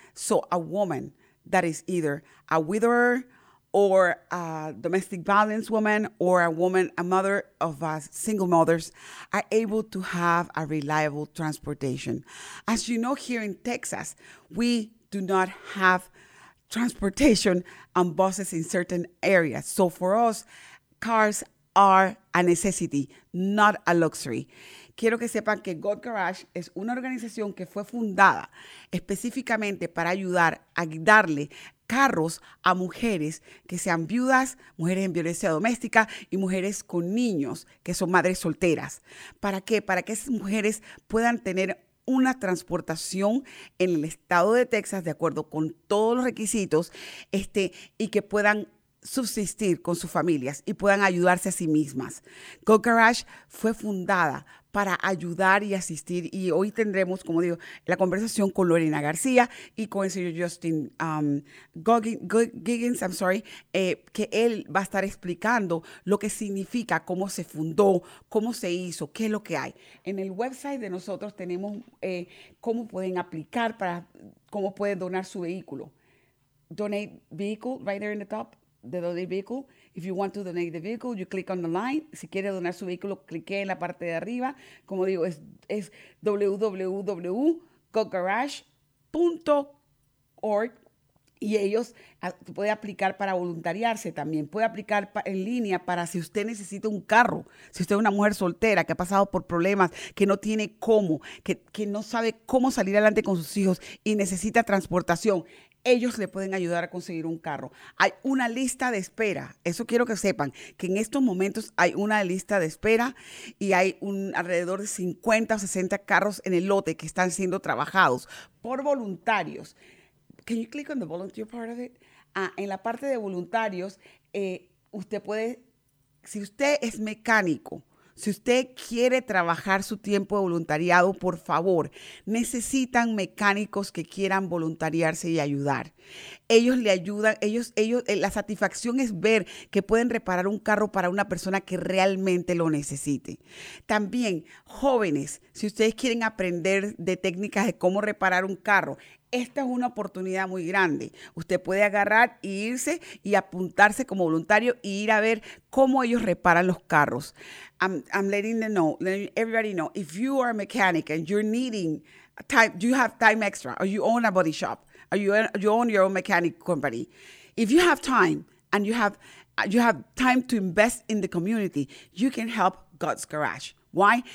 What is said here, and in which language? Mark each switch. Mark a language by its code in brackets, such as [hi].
[en] So a woman that is either a widower or a domestic violence woman, or a mother of single mothers, are able to have a reliable transportation. As you know, here in Texas, we do not have transportation and buses in certain areas. So for us, cars are a necessity, not a luxury. [es] Quiero que sepan que God's Garage es una organización que fue fundada específicamente para ayudar a darle carros a mujeres que sean viudas, mujeres en violencia doméstica y mujeres con niños que son madres solteras. ¿Para qué? Para que esas mujeres puedan tener una transportación en el estado de Texas de acuerdo con todos los requisitos y que puedan subsistir con sus familias y puedan ayudarse a sí mismas. God's Garage fue fundada para ayudar y asistir, y hoy tendremos, como digo, la conversación con Lorena García y con el señor Justin Goggins, que él va a estar explicando lo que significa, cómo se fundó, cómo se hizo, qué es lo que hay. En el website de nosotros tenemos cómo pueden aplicar, para cómo pueden donar su vehículo. [en] Donate vehicle right there in the top. [es] de donar vehículo. [en] If you want to donate the vehicle, you click on the line. [es] Si quiere donar su vehículo, clique en la parte de arriba. Como digo, es www.cogarage.org. Y ellos puede aplicar para voluntariarse también. Puede aplicar en línea para si usted necesita un carro. Si usted es una mujer soltera que ha pasado por problemas, que no tiene cómo, que no sabe cómo salir adelante con sus hijos y necesita transportación, ellos le pueden ayudar a conseguir un carro. Hay una lista de espera. Eso quiero que sepan, que en estos momentos hay una lista de espera y hay alrededor de 50 o 60 carros en el lote que están siendo trabajados por voluntarios. Can you click on the volunteer part of it? En la parte de voluntarios, usted puede, si usted es mecánico, si usted quiere trabajar su tiempo de voluntariado, por favor, necesitan mecánicos que quieran voluntariarse y ayudar. Ellos le ayudan, la satisfacción es ver que pueden reparar un carro para una persona que realmente lo necesite. También, jóvenes, si ustedes quieren aprender de técnicas de cómo reparar un carro, esta es una oportunidad muy grande. Usted puede agarrar e irse y apuntarse como voluntario e ir a ver cómo ellos reparan los carros. [en] I'm letting them know, letting everybody know, if you are a mechanic and you're needing time, you have time extra, or you own a body shop, or you own your own mechanic company, if you have time and you have time to invest in the community, you can help God's Garage. Why?